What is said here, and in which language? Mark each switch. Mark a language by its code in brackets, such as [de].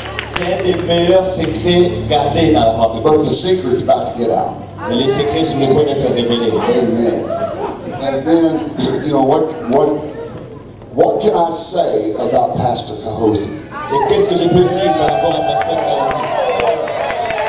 [fr] C'est un des meilleurs secrets gardés dans la Pentecôte. [en] But the secret's about to get out. [fr] Mais les secrets sont en train d'être révélés. [en] Amen. And then, you know, what can I say about Pastor Cahosi? [fr] Et qu'est-ce que je peux dire par rapport à Pasteur Cahosi?